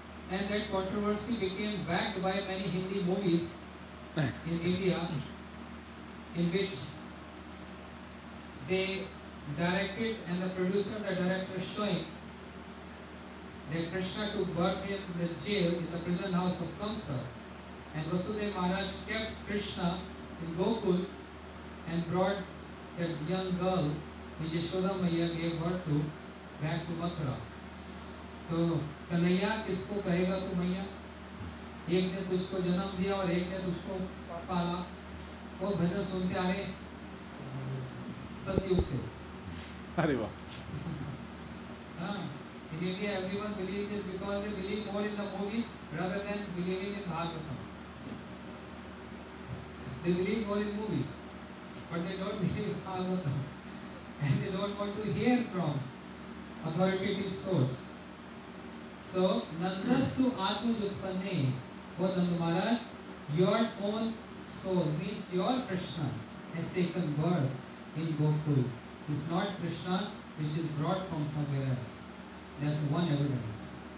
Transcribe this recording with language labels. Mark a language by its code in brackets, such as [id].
[en] And that controversy became backed by many Hindi movies in India, in which they directed and the producer, the director showing that Krishna took birth in the jail, in the prison house of Kamsa, and Vasudev Maharaj kept Krishna in Gokul and brought that young girl, which Yashoda Maiya gave birth to, back to Mathura. [hi] So, Kanhaiya किसको कहेगा तू मैया एक ने तुझको जन्म दिया और एक ने तुझको पाला वो भजन सुनते आ रहे सत्युग से अरे वाह [en] हाँ in India everyone believe this because they believe more in the movies rather than believing in Bhagavatam they believe more in movies but they don't believe Bhagavatam and they don't want to hear from authoritative source. So, [sa] Nandastu Atmaj Utpanne, [en] O Nand Maharaj, your own soul, means your Krishna, has taken birth in Gokul. It's not Krishna which is brought from somewhere else. That's one evidence.